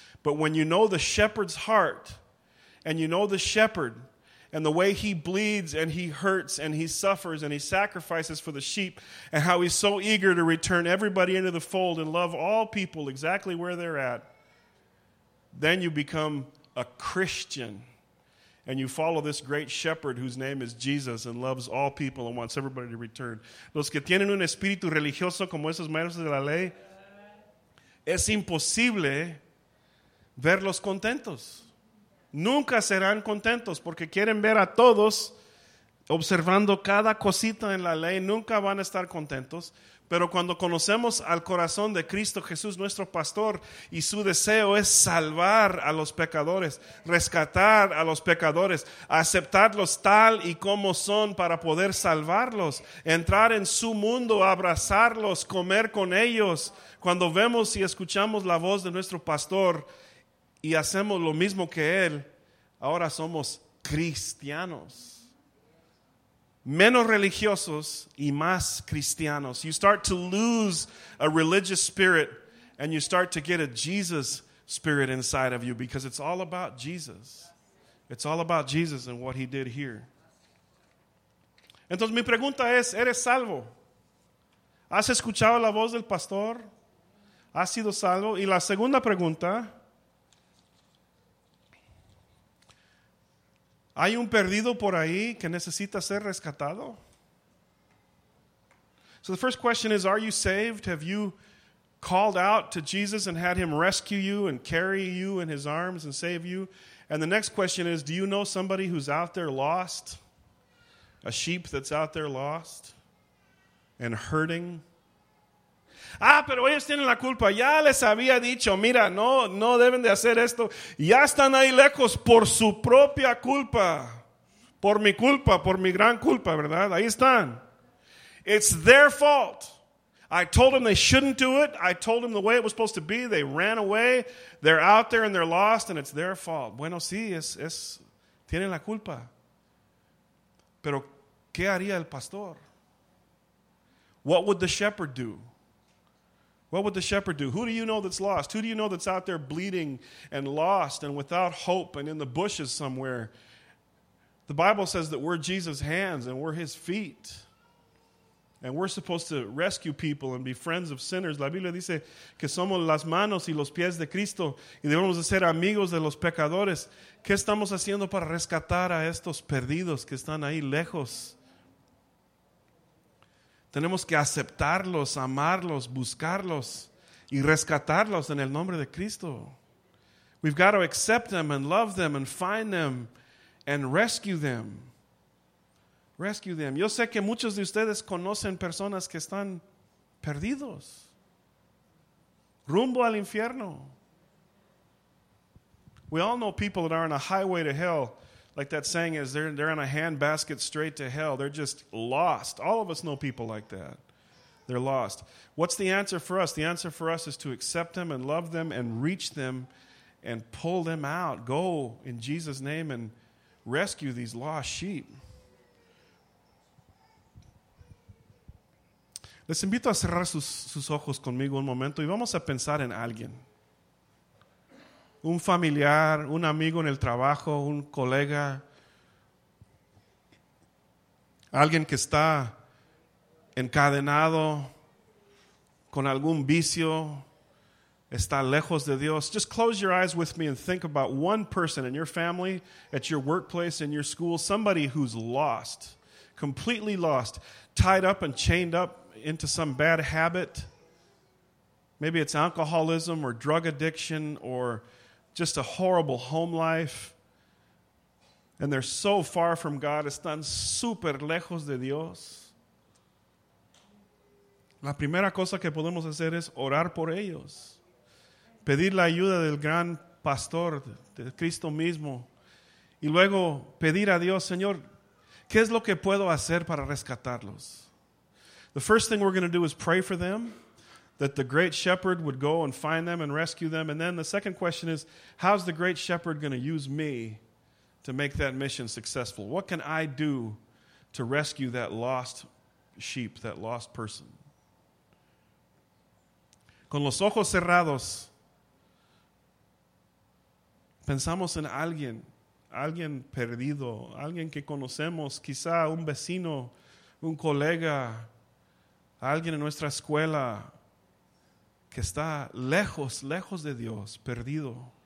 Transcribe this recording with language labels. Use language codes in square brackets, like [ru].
[en] But when you know the shepherd's heart and you know the shepherd and the way he bleeds and he hurts and he suffers and he sacrifices for the sheep and how he's so eager to return everybody into the fold and love all people exactly where they're at, then you become a Christian and you follow this great shepherd whose name is Jesus and loves all people and wants everybody to return. [es] Los que tienen un espíritu religioso como esos maestros de la ley, es imposible verlos contentos. Nunca serán contentos porque quieren ver a todos observando cada cosita en la ley. Nunca van a estar contentos. Pero cuando conocemos al corazón de Cristo Jesús, nuestro pastor, y su deseo es salvar a los pecadores, rescatar a los pecadores, aceptarlos tal y como son para poder salvarlos, entrar en su mundo, abrazarlos, comer con ellos. Cuando vemos y escuchamos la voz de nuestro pastor y hacemos lo mismo que él, ahora somos cristianos. Menos religiosos y más cristianos. [en] You start to lose a religious spirit and you start to get a Jesus spirit inside of you because it's all about Jesus. It's all about Jesus and what he did here. [es] Entonces mi pregunta es, ¿eres salvo? ¿Has escuchado la voz del pastor? ¿Has sido salvo? Y la segunda pregunta, ¿hay un perdido por ahí que necesita ser rescatado? [en] So the first question is, are you saved? Have you called out to Jesus and had him rescue you and carry you in his arms and save you? And the next question is, do you know somebody who's out there lost? A sheep that's out there lost and hurting? [es] Ah, pero ellos tienen la culpa. Ya les había dicho, mira, no deben de hacer esto. Ya están ahí lejos por su propia culpa. Por mi culpa, por mi gran culpa, ¿verdad? Ahí están. [en] It's their fault. I told them they shouldn't do it. I told them the way it was supposed to be. They ran away. They're out there and they're lost and it's their fault. [es] Bueno, sí, es tienen la culpa. Pero, ¿qué haría el pastor? [en] What would the shepherd do? What would the shepherd do? Who do you know that's lost? Who do you know that's out there bleeding and lost and without hope and in the bushes somewhere? The Bible says that we're Jesus' hands and we're his feet. And we're supposed to rescue people and be friends of sinners. [es] La Biblia dice que somos las manos y los pies de Cristo y debemos de ser amigos de los pecadores. ¿Qué estamos haciendo para rescatar a estos perdidos que están ahí lejos? Tenemos que aceptarlos, amarlos, buscarlos y rescatarlos en el nombre de Cristo. [en] We've got to accept them and love them and find them and rescue them. Rescue them. [es] Yo sé que muchos de ustedes conocen personas que están perdidos. Rumbo al infierno. [en] We all know people that are on a highway to hell. like that saying is, they're in a handbasket straight to hell. They're just lost. All of us know people like that. They're lost. What's the answer for us? The answer for us is to accept them and love them and reach them and pull them out. Go in Jesus' name and rescue these lost sheep. [es] Les invito a cerrar sus ojos conmigo un momento y vamos a pensar en alguien. Un familiar, un amigo en el trabajo, un colega. Alguien que está encadenado con algún vicio, está lejos de Dios. [en] Just close your eyes with me and think about one person in your family, at your workplace, in your school, somebody who's lost, completely lost, tied up and chained up into some bad habit. Maybe it's alcoholism or drug addiction or just a horrible home life. And they're so far from God. [es] Están super lejos de Dios. La primera cosa que podemos hacer es orar por ellos. Pedir la ayuda del gran pastor, de Cristo mismo. Y luego pedir a Dios, Señor, ¿qué es lo que puedo hacer para rescatarlos? The first thing we're going to do is pray for them, that the great shepherd would go and find them and rescue them. And then the second question is, how's the great shepherd going to use me to make that mission successful? What can I do to rescue that lost sheep, that lost person? Con los ojos cerrados, pensamos en alguien, alguien perdido, alguien que conocemos, quizá un vecino, un colega, alguien en nuestra escuela que está lejos, lejos de Dios, perdido.